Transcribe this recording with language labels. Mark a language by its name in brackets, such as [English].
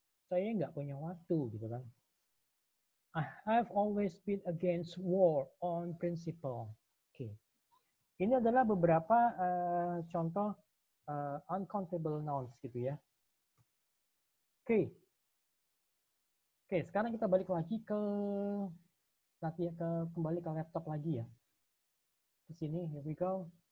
[Indonesian] Saya nggak punya waktu, gitu kan. [English] I have always been against war on principle. Okay. [Indonesian] Ini adalah beberapa contoh uncountable nouns, gitu ya. Okay. Okay, sekarang kita balik lagi ke nanti ya, ke kembali ke laptop lagi ya. Ke sini, [English] here we go.